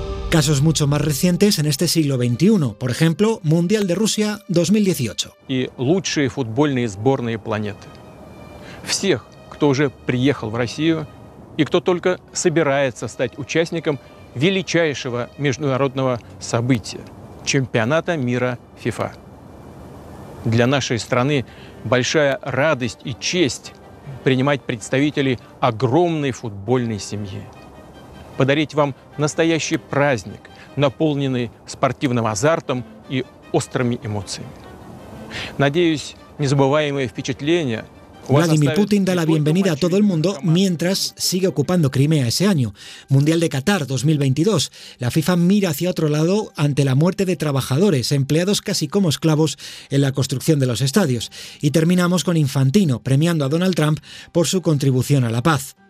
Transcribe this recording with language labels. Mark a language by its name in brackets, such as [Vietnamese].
[Spanish] Casos mucho más recientes en este siglo XXI, por ejemplo, Mundial de Rusia 2018. Y los mejores equipos de fútbol del planeta. Todos los que ya han venido a Rusia y que solo están preparados para ser parte [Russian] величайшего международного события – чемпионата мира ФИФА. Для нашей страны большая радость и честь принимать представителей огромной футбольной семьи, подарить вам настоящий праздник, наполненный спортивным азартом и острыми эмоциями. Надеюсь, незабываемые впечатления. [Spanish] Владimir Putin da la bienvenida a todo el mundo mientras sigue ocupando Crimea ese año. Mundial de Qatar 2022. La FIFA mira hacia otro lado ante la muerte de trabajadores, empleados casi como esclavos en la construcción de los estadios. Y terminamos con Infantino premiando a Donald Trump por su contribución a la paz.